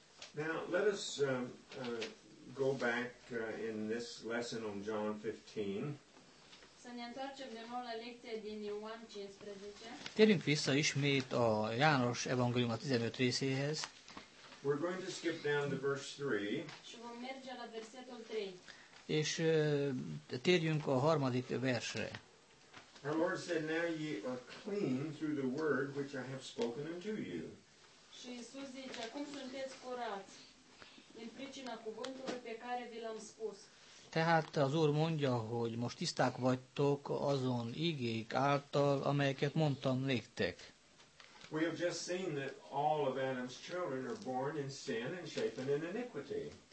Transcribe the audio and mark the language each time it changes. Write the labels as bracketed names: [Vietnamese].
[English] Now, let us go back in this lesson on John 15. [Romanian] Să ne întoarcem de nou la lecția din Ioan 15. [Hungarian] Térjünk vissza ismét a János evangélium a 15 részéhez. [English] We're going to skip down to verse 3. [Romanian] Și vom merge la versetul 3. [Hungarian] És térjünk a harmadik versre. [English] Our Lord said, now ye are clean through the word which I have spoken unto you. [Romanian] Și Iisus zice, acum sunteți curați din pricina cuvântului pe care vi l-am spus. [Hungarian] Tehát az Úr mondja, hogy most tiszták vagytok azon igék által, amelyeket mondtam néktek. [English] We have just seen that all of Adam's children are born in sin and shapen in iniquity.